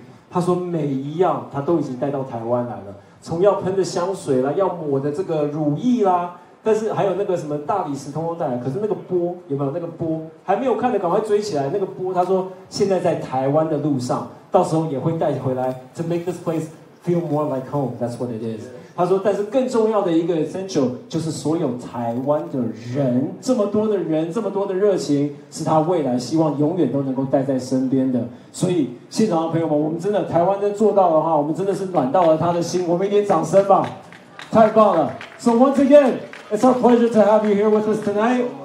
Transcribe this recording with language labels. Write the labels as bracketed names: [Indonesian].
[Chinese] 他说每一样他都已经带到台湾来了，从要喷的香水啦，要抹的这个乳液啦，但是还有那个什么大理石通通带来，可是那个波有没有？那个波还没有看的，赶快追起来。那个波他说现在在台湾的路上，到时候也会带回来。 [English] To make this place feel more like home, that's what it is。 [Chinese] 他说，但是更重要的一个 essential 就是所有台湾的人，这么多的人，这么多的热情，是他未来希望永远都能够带在身边的。所以现场的朋友们，我们真的台湾真做到的话，我们真的是暖到了他的心。我们一点掌声吧，太棒了。 [English] So once again. It's our pleasure to have you here with us tonight.